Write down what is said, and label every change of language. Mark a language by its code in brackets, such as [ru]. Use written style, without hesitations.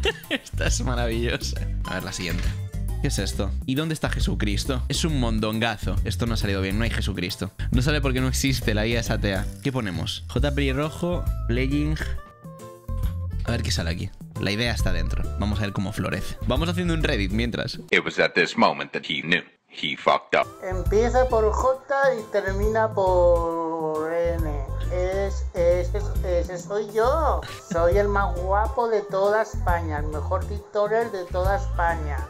[es] Esta es maravillosa. A ver, la siguiente. ¿Qué es esto? ¿Y dónde está Jesucristo? Es un mondongazo. Esto no ha salido bien, no hay Jesucristo. No sale porque no existe la guía satea. ¿Qué ponemos? J. Pelirrojo, Legging... A ver qué sale aquí. La idea está dentro. Vamos a ver cómo florece. Vamos haciendo un Reddit mientras. [en] It was at this moment that he knew he fucked up. [es] Empieza por J y termina por N. Ese soy yo. Soy el más guapo de toda España, el mejor TikToker de toda España.